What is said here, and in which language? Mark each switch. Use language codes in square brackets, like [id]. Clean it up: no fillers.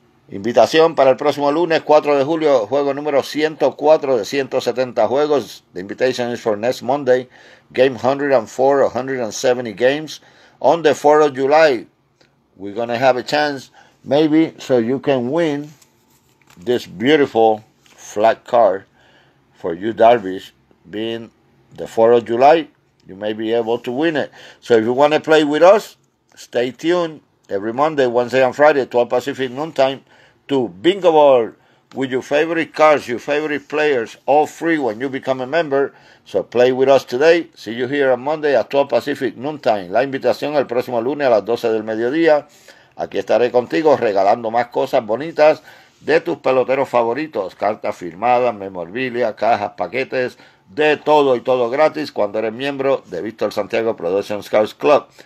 [es] Invitación para el próximo lunes, 4 de julio, juego número 104 de 170 juegos. [en] The invitation is for next Monday, game 104, 170 games. On the 4th of July, we're going to have a chance, maybe, so you can win this beautiful flat card for you, Darvish. Being the 4th of July, you may be able to win it. So if you want to play with us, stay tuned every Monday, Wednesday, and Friday, 12 Pacific noontime, to Bingo Ball with your favorite cards, your favorite players, all free when you become a member. So play with us today. See you here on Monday at 12 Pacific noontime. [es] La invitación el próximo lunes a las 12 del mediodía. Aquí estaré contigo regalando más cosas bonitas de tus peloteros favoritos. Cartas firmadas, memorabilia, cajas, paquetes, de todo y todo gratis cuando eres miembro de Víctor Santiago Productions Cards Club.